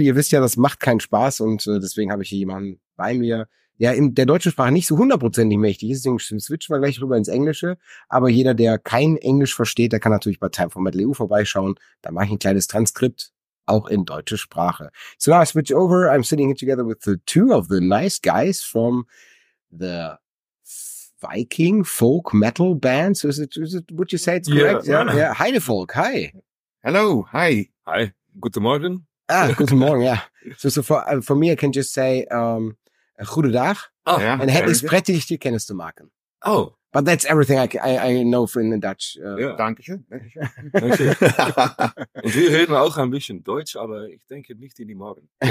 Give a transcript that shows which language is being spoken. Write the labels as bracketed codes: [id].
[de] Ihr wisst ja, das macht keinen Spaß und deswegen habe ich hier jemanden bei mir, ja, in der deutschen Sprache nicht so hundertprozentig mächtig ist, deswegen switchen wir gleich rüber ins Englische. Aber jeder, der kein Englisch versteht, der kann natürlich bei Time for Metal EU vorbeischauen. Da mache ich ein kleines Transkript, auch in deutsche Sprache. [en] So now I switch over. I'm sitting here together with the two of the nice guys from the Viking Folk Metal Band. So is it, would you say it's correct? Yeah. Heide Folk, hi. Hello, hi. [de] Hi, guten Morgen. [en] Ah, [de] guten Morgen, [en] yeah. So for me, I can just say, [nl] Goede dag. Oh, en het is prettig je kennis te maken. Oh. [en] But that's everything I know for in the Dutch. [de] Dankeschön. Und wir reden auch ein bisschen Deutsch, aber ich denke nicht in die Morgen.